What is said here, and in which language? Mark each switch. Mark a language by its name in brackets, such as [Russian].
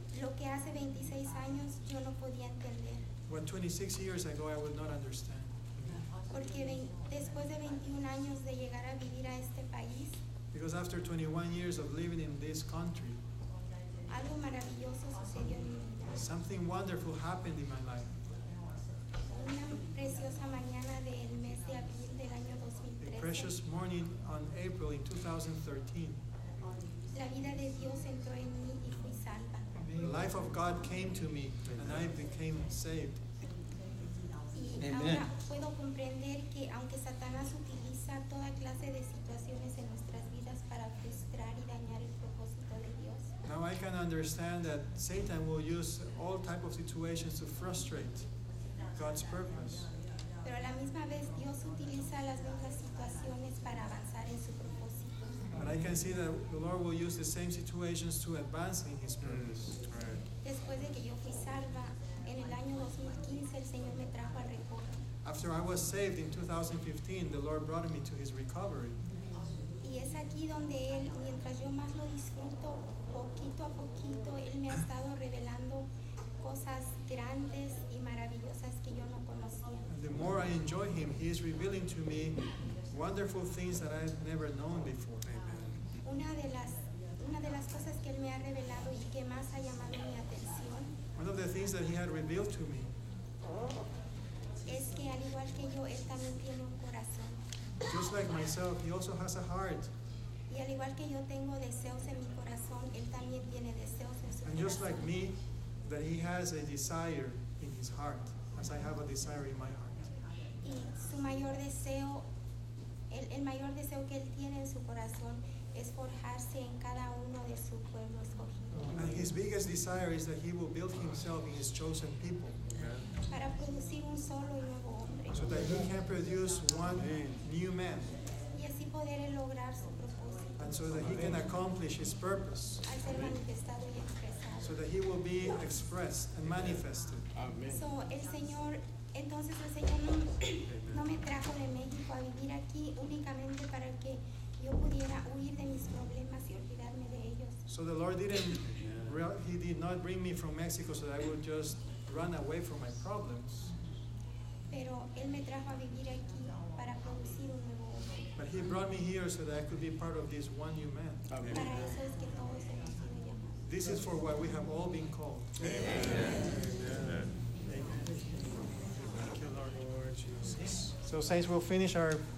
[Spanish] Lo que hace 26 años yo no podía entender. [English] What 26 years ago I would not understand. [Spanish] Porque después de 21 años de llegar a vivir a este país. [English] Because after 21 years of living in this country. [Spanish] Algo maravilloso sucedió en mi vida. [English] Something wonderful happened in my life. [Spanish] Una preciosa mañana del mes de abril del año 2013. [English] A precious morning on April in 2013. [Spanish] La vida de Dios entró en mí y fui salva. [English] The life of God came to me and I became saved. [Spanish] Amen. Y ahora puedo comprender que aunque Satanás utiliza toda clase de situaciones en nuestras vidas para frustrar y dañar el propósito de Dios. [English] Now I can understand that Satan will use all type of situations to frustrate God's purpose. [Spanish] Pero a la misma vez Dios utiliza las mismas situaciones para avanzar en su propósito. [English] And I can see that the Lord will use the same situations to advance in his purpose. [Spanish] Después de que yo fui salva, en el año 2015 el Señor me trajo al recobro. [English] After I was saved in 2015, the Lord brought me to his recovery. [Spanish] Y es aquí donde él, mientras yo más lo disfruto, poquito a poquito, él me ha estado revelando cosas grandes y maravillosas que yo no conocía. [English] And the more I enjoy him, he is revealing to me wonderful things that I've never known before. Amen. [Spanish] Una de las cosas que él me ha revelado y que más ha llamado mi atención. [English] One of the things that he had revealed to me. [Spanish] Es que al igual que yo, él también tiene un corazón. [English] Just like myself, he also has a heart. [Spanish] Y al igual que yo tengo deseos en mi corazón, él también tiene deseos en su corazón. [English] And just like me, that he has a desire in his heart, as I have a desire in my heart. [Spanish] Y su mayor deseo, el mayor deseo que él tiene en su corazón es forjarse en cada uno de su pueblo escogido. [English] And his biggest desire is that he will build himself in his chosen people. [Spanish] Para producir un solo y nuevo hombre. [English] So that he can produce one new man. [Spanish] Y así poder lograr su propósito. [English] And so that he can accomplish his purpose. [Spanish] Al ser manifestado y expresado. [English] So that he will be expressed and manifested. Amen. [Spanish] So el Señor, entonces el Señor no me trajo de México a vivir aquí únicamente para que yo pudiera huir de mis problemas y olvidarme de ellos. [English] So the Lord didn't, he did not bring me from Mexico so that I would just run away from my problems. [Spanish] Pero él me trajo a vivir aquí para producir un nuevo hombre. [English] But he brought me here so that I could be part of this one new man. Amen. [Spanish] Para eso es que todos hemos sido llamados. [English] This is for what we have all been called. Amen. Amen. Amen. Thank you, Lord Jesus. So, saints, we'll finish our